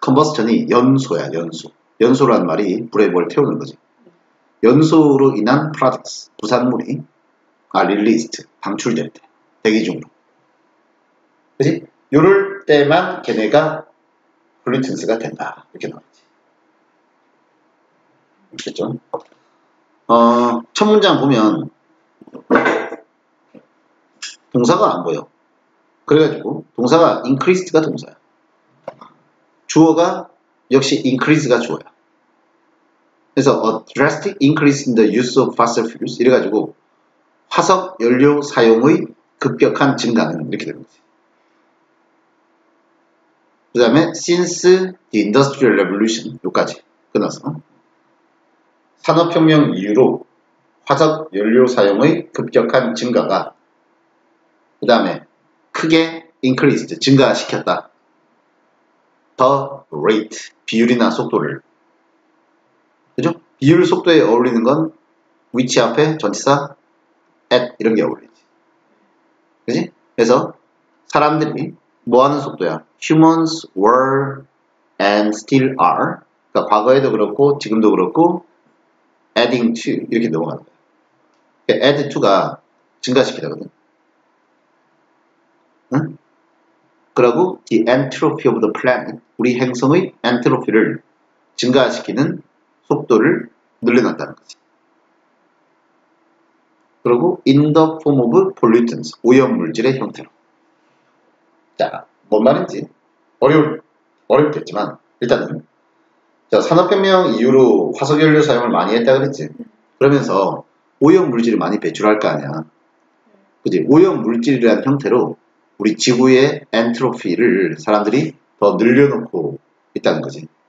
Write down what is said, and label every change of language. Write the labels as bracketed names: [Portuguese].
[Korean] combustion이 연소야, 연소. 연소란 말이 불에 뭘 태우는 거지. 연소로 인한 products. 부산물이 [English] are released. [Korean] 방출될 때. 대기 중으로. 그지? 요럴 때만 걔네가 pollutants가 된다. 이렇게 나왔지. 됐죠? 첫 문장 보면, 동사가 안 보여. 그래가지고, 동사가 increased가 동사야. 주어가 역시 increase가 주어야. 그래서 [English] a drastic increase in the use of fossil fuels. [Korean] 이래가지고, 화석 연료 사용의 급격한 증가는 이렇게 되는 거지. 그 다음에 [English] since the industrial revolution [Korean] 여기까지 끝났어. 산업혁명 이후로 화석 연료 사용의 급격한 증가가 그 다음에 크게 increased 증가시켰다. [English] the rate [Korean] 비율이나 속도를 그죠? 비율 속도에 어울리는 건 위치 앞에 전치사 at 이런 게 어울리지. 그지? 그래서 사람들이 뭐 하는 속도야? [English] Humans were and still are. [Korean] 그러니까 과거에도 그렇고 지금도 그렇고 [English] adding to [Korean] 이렇게 넘어가는 거야. 그러니까 [English] add to [Korean] 가 증가시키거든. 응? 그리고 [English] the entropy of the planet [Korean] 우리 행성의 엔트로피를 증가시키는 속도를 늘려놨다는 거지. 그리고 [English] in the form of pollutants [Korean] 오염물질의 형태로. 자, 뭔 말인지 어렵겠지만 일단은 자 산업혁명 이후로 화석연료 사용을 많이 했다 그랬지. 그러면서 오염물질을 많이 배출할 거 아니야. 그지? 오염물질이라는 형태로 우리 지구의 엔트로피를 사람들이 더 늘려놓고 있다는 거지.